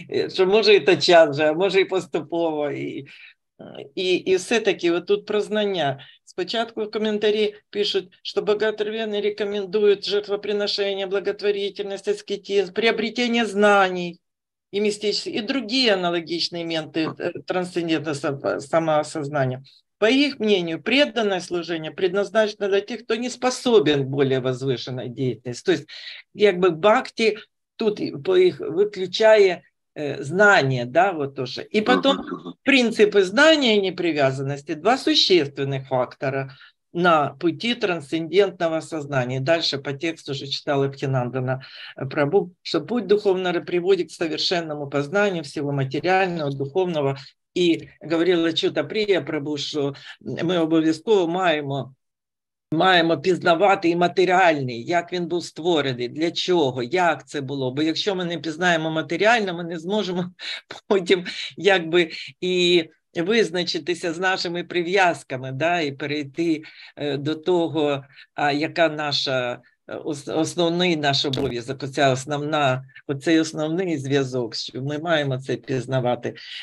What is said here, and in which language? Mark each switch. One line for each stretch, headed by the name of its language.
Ukrainian: Що може і та час же, а може і поступово. І все-таки от тут про знання. Спочатку в коментарі пишуть, що богатырі рекомендують жертвоприношення, благотворительність, аскетизм, приобретення знаний і містичність, і другі аналогічні моменти трансцендентного самоосознання.
Russian: По их мнению, преданное служение предназначено для тех, кто не способен к более возвышенной деятельности. То есть, как бы бхакти тут по их выключая знания, да, вот тоже. И потом принципы знания и непривязанности – два существенных фактора на пути трансцендентного сознания. Дальше по тексту уже читала Бхактинандана Прабху, что путь духовного приводит к совершенному познанию всего материального, духовного.
Ukrainian: І говорила Чутапрія Прабу, що ми обов'язково маємо пізнавати і матеріальний, як він був створений, для чого, як це було. Бо якщо ми не пізнаємо матеріально, ми не зможемо потім якби і визначитися з нашими прив'язками, да, і перейти до того, яка наша основний наш обов'язок, оцей основний зв'язок, що ми маємо це пізнавати.